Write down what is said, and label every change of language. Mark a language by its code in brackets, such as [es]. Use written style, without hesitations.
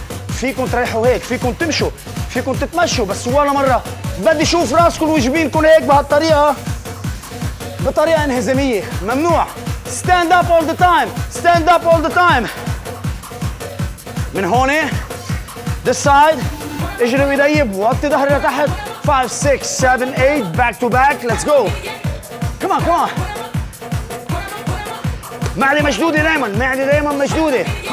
[ar] فيكم تريحوا هيك، فيكم تمشوا، فيكم تتمشوا، بس ولا مرة بدي أشوف راسكم وجبينكم هيك بهالطريقة، بطريقة انهزامية، ممنوع. [en] Stand up all the time, stand up all the time. [ar] من هون، [en] this side، [ar] اجري بإيدي، بوطي ظهري لتحت. [en] 5, 6, 7, 8, back to back, let's go. Come on, come on. [ar] معدي مشدودة دايما، معدي دايما مشدودة.